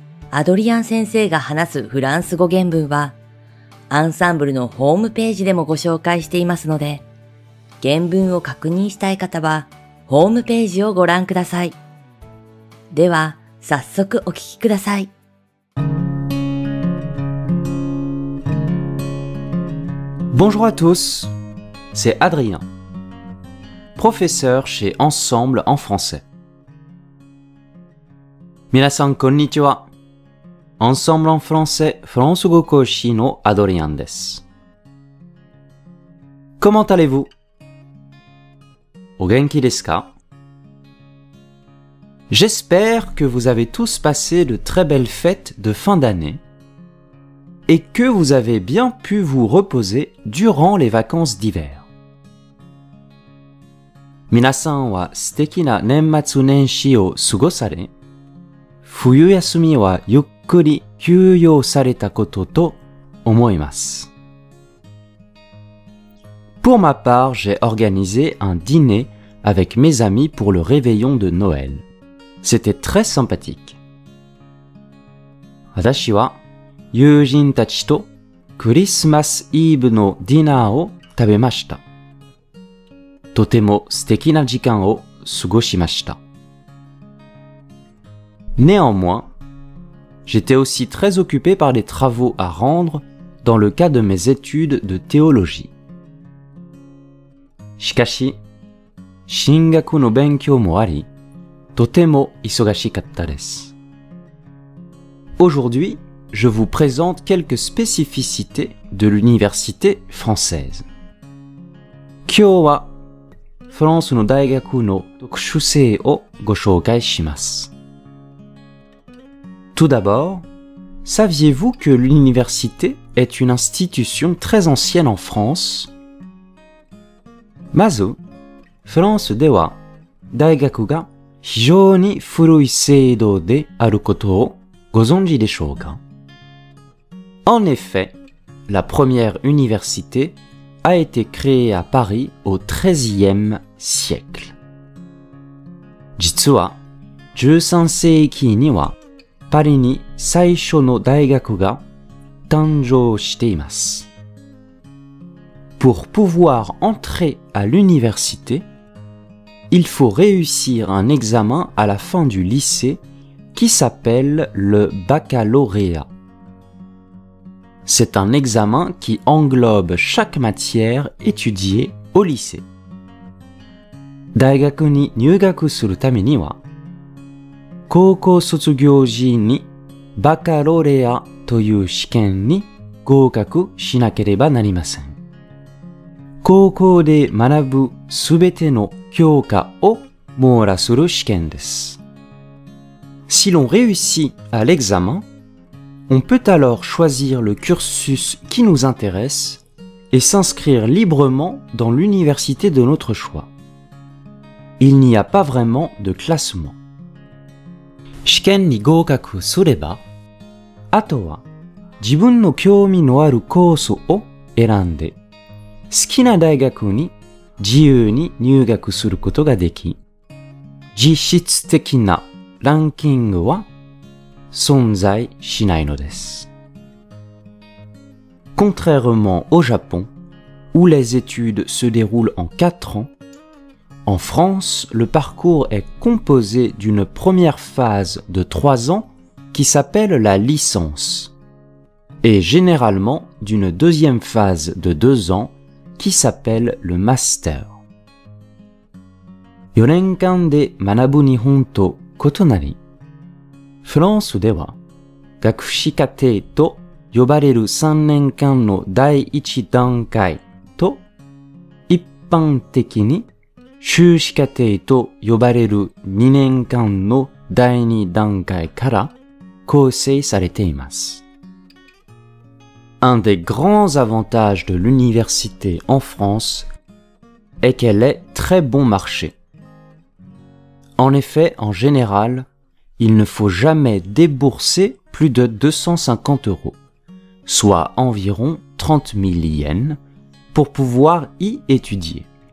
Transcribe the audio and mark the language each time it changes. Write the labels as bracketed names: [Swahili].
[Japanese] アドリアン先生が話すフランス語原文はアンサンブルのホームページでもご紹介していますので、原文を確認したい方はホームページをご覧ください。では、早速お聞きください。 [French] Bonjour à tous, c'est Adrien, professeur chez Ensemble en français. [Japanese] 皆さん、こんにちは。 Ensemble en français, フランス語講師のアドリアンです。 [French] Comment allez-vous? [Japanese] お元気ですか? [French] J'espère que vous avez tous passé de très belles fêtes de fin d'année et que vous avez bien pu vous reposer durant les vacances d'hiver. [Japanese] 皆さんは素敵な年末年始を過ごされ、冬休みはゆっくり休養されたことと思います。 [French] Pour ma part, j'ai organisé un dînerAvec mes amis pour le réveillon de Noël. C'était très sympathique. [Japanese] 私は友人たちとクリスマスイブのディナーを食べました。とても素敵な時間を過ごしました。 [French] Néanmoins, j'étais aussi très occupé par les travaux à rendre dans le cadre de mes études de théologie. [Japanese] しかし、進学の勉強もあり、とても忙しかったです。 [French] Aujourd'hui, je vous présente quelques spécificités de l'université française. [Japanese] 今日は、フランスの大学の特殊性をご紹介します。 [French] Tout d'abord, saviez-vous que l'université est une institution très ancienne en France? [Japanese] まず、フランスでは大学が非常に古い制度であることをご存知でしょうか? [French] En effet, la première université a été créée à Paris au XIIIe siècle. [Japanese] 実は、13世紀にはパリに最初の大学が誕生しています。 [French] Pour pouvoir entrer à l'université,Il faut réussir un examen à la fin du lycée qui s'appelle le baccalauréat. C'est un examen qui englobe chaque matière étudiée au lycée. [Japanese] 大学に入学するためには、高校卒業時にバカロレアという試験に合格しなければなりません。高校で学ぶすべての教科を網羅する試験です。 [French] Si l'on réussit à l'examen, on peut alors choisir le cursus qui nous intéresse et s'inscrire librement dans l'université de notre choix. Il n'y a pas vraiment de classement. [Japanese] 試験に合格すれば、あとは自分の興味のあるコースを選んで、好きな大学に自由に入学することができ、実質的なランキングは存在しないのです。 [French] Contrairement au Japon, où les études se déroulent en 4 ans, en France, le parcours est composé d'une première phase de 3 ans qui s'appelle la licence, et généralement d'une deuxième phase de 2 ans qui s'appelle le master. [Japanese] 4年間で学ぶ日本と異なり、フランスでは学士課程と呼ばれる3年間の第一段階と、一般的に修士課程と呼ばれる2年間の第二段階から構成されています。 [French] Un des grands avantages de l'université en France est qu'elle est très bon marché. En effet, en général, il ne faut jamais débourser plus de 250 euros, soit environ 30 000 yens, pour pouvoir y étudier.